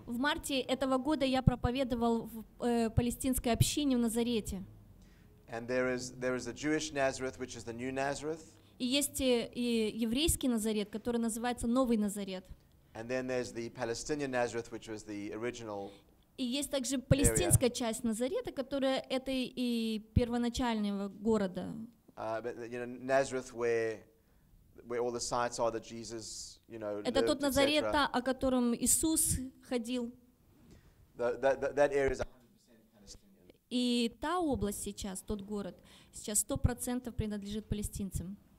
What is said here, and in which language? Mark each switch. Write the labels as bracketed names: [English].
[Russian] В марте этого года я проповедовал в палестинской общине в Назарете. [English] And there is a Jewish Nazareth, which is the new Nazareth. [Russian] И есть и еврейский Назарет, который называется Новый Назарет. [English] And then there's the Palestinian Nazareth, which was the original. [Russian] И есть также палестинская часть Назарета, которая это и первоначального города. [English] Nazareth, where all the sites are that Jesus, you know, [Russian] это тот Назарет, о котором Иисус ходил. [English] That area is 100% Palestinian. [Russian] И та область сейчас, тот город, сейчас 100% принадлежит палестинцам.